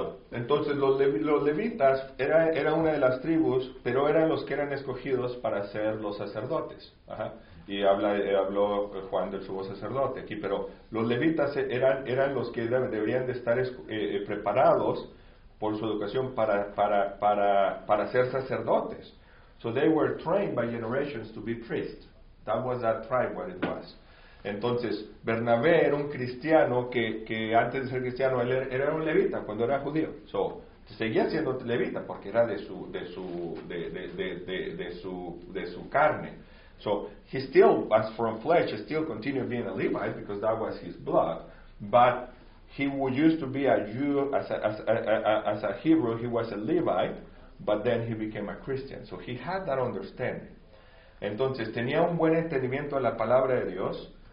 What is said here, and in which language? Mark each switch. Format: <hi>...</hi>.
<es>Entonces los levitas era una de las tribus, pero eran los que eran escogidos para ser los sacerdotes. Ajá. Y habló Juan del sumo sacerdote aquí, pero los levitas eran los que deberían de estar preparados por su educación para ser sacerdotes.</es> <en>So they were trained by generations to be priests. That was that tribe what it was.</en> <es>Entonces, Bernabé era un cristiano que antes de ser cristiano él era un levita cuando era judío. So, seguía siendo levita porque era de su carne.</es> <en>So, he still was from flesh, still continued being a Levite because that was his blood, but he would used to be a Jew, as a Hebrew, he was a Levite, but then he became a Christian. So he had that understanding.</en> <es>Entonces, tenía un buen entendimiento de la palabra de Dios.</es>